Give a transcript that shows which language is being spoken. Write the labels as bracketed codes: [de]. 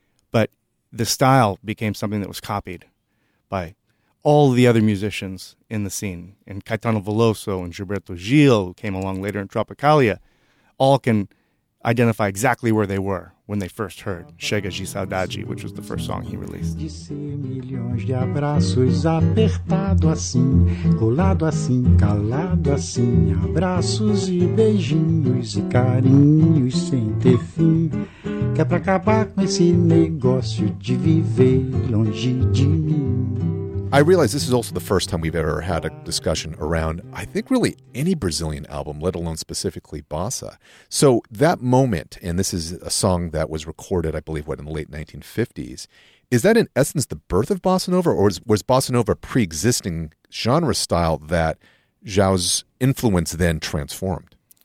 [en] But the style became something that was copied by all the other musicians in the scene. And Caetano Veloso and Gilberto Gil, who came along later in Tropicália, all can identify exactly where they were when they first heard Chega de Saudade, which was the first song he released. [pt] De ser milhões de abraços apertado assim, colado assim, calado assim, abraços e beijinhos e carinhos sem ter fim, que é pra acabar com esse negócio de viver longe de mim. [en] I realize this is also the first time we've ever had a discussion around, I think, really any Brazilian album, let alone specifically Bossa. So that moment, and this is a song that was recorded, I believe, in the late 1950s, is that in essence the birth of Bossa Nova, or was Bossa Nova a pre-existing genre style that João's influence then transformed?